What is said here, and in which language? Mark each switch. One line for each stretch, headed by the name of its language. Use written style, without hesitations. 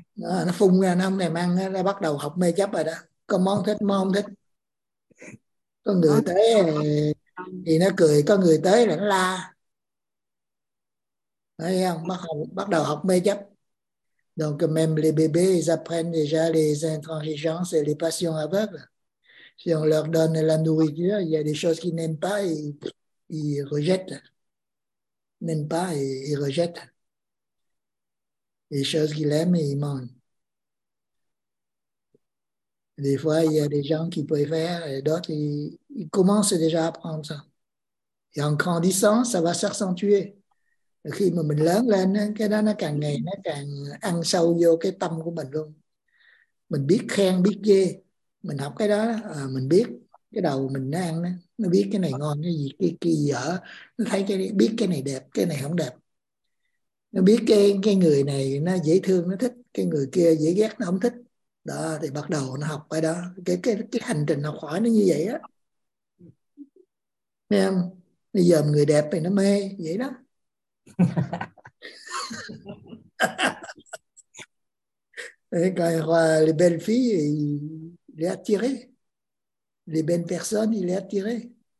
Vietnamese: À, nó phun ra, nó không thèm ăn, nó bắt đầu học mê chấp rồi đó. Có món thích, món không thích. Có người tới thì nó cười, có người tới là nó la. Thấy không? Bắt đầu học mê chấp.
French: Donc même les bébés, ils apprennent déjà les intransigences et les passions aveugles. Si on leur donne la nourriture, il y a des choses qu'ils n'aiment pas et ils rejettent. N'aiment pas et ils rejettent. Les choses qu'ils aiment et ils mangent. Des fois, il y a des gens qui préfèrent et d'autres, ils commencent déjà à apprendre ça. Et en grandissant, ça va s'accentuer.
Vietnamese: Khi mà mình lớn lên, cái đó nó càng ngày nó càng ăn sâu vô cái tâm của mình luôn. Mình biết khen, biết chê. Mình học cái đó, à, mình biết cái đầu mình nó ăn, nó biết cái này ngon, cái gì, cái dở. Nó thấy cái biết cái này đẹp, cái này không đẹp. Nó biết cái người này nó dễ thương, nó thích. Cái người kia dễ ghét, nó không thích. Đó, thì bắt đầu nó học cái đó. Cái hành trình học hỏi nó như vậy á. Nghe không? Bây giờ người đẹp thì nó mê, vậy đó.
French: Et quand il voit les belles filles, il est attiré. Les belles personnes, il est attiré.